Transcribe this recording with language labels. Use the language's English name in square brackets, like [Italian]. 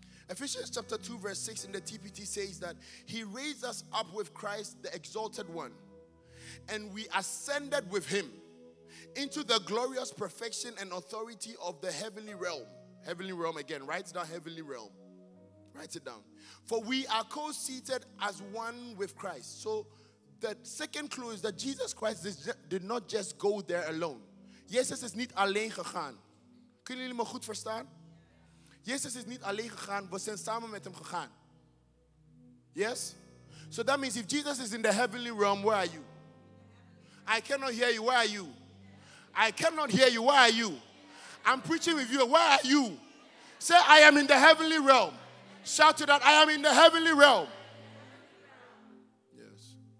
[English] Ephesians chapter 2 verse 6 in the TPT says that he raised us up with Christ, the exalted one, and we ascended with him into the glorious perfection and authority of the heavenly realm. Heavenly realm again. Write it down, heavenly realm. Write it down. For we are co-seated as one with Christ. So the second clue is that Jesus Christ did not just go there alone. [Dutch] Jesus [English] is not [Dutch] alleen gegaan. Kunnen jullie me goed verstaan? Jesus [English] is not [Dutch] alleen gegaan, we zijn samen met hem gegaan. [English] Yes? So that means if Jesus is in the heavenly realm, where are you? I cannot hear you, where are you? I cannot hear you, where are you? I'm preaching with you, where are you? Say, I am in the heavenly realm. Shout to that, I am in the heavenly realm. Yes.